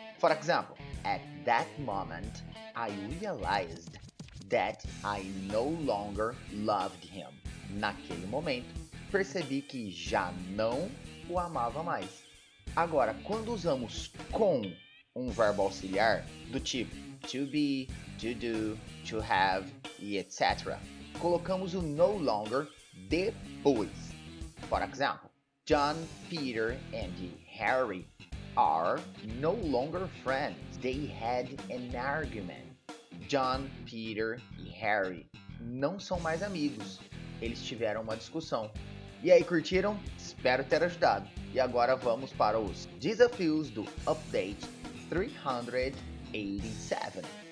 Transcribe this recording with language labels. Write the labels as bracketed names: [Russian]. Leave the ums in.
[English] For example, at that moment I realized that I no longer loved him [Portuguese] naquele momento, percebi que já não o amava mais. Agora, quando usamos com um verbo auxiliar, do tipo to be, to do, to have e etc., colocamos o no longer depois. [English] For example, John, Peter e Harry are no longer friends. They had an argument. [Portuguese] John, Peter e Harry não são mais amigos eles tiveram uma discussão. E aí, curtiram? Espero ter ajudado. E agora vamos para os desafios do Update 387.